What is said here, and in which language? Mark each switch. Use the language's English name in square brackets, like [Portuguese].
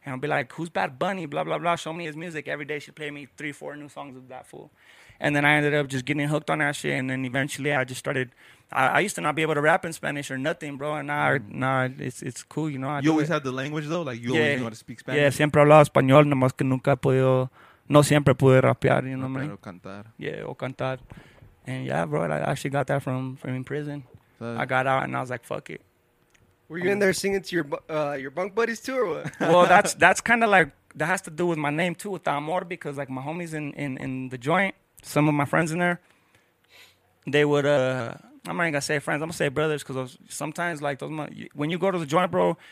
[English] And I'd be like, who's Bad Bunny? Blah, blah, blah. Show me his music. Every day she'd play me 3-4 new songs of that fool. And then I ended up just getting hooked on that shit. And then eventually I just started. I used to not be able to rap in Spanish or nothing, bro. And now it's cool, you know. You always had the language, though? Like, you always knew how to speak Spanish? [Spanish] Yeah, siempre hablaba español, nomás que nunca he podido. No siempre pude rapear, [English] you know what I mean? [Spanish] O cantar. Yeah, o cantar. [English] And yeah, bro, I actually got that from in prison. I got out and I was like, fuck it. Were you in there singing to your bunk buddies too or what? Well, that's kind of like, that has to do with my name too, with the Amor, because like my homies in the joint, some of my friends in there, they would, I'm not even going to say friends, I'm going to say brothers, because sometimes like when you go to the joint, bro,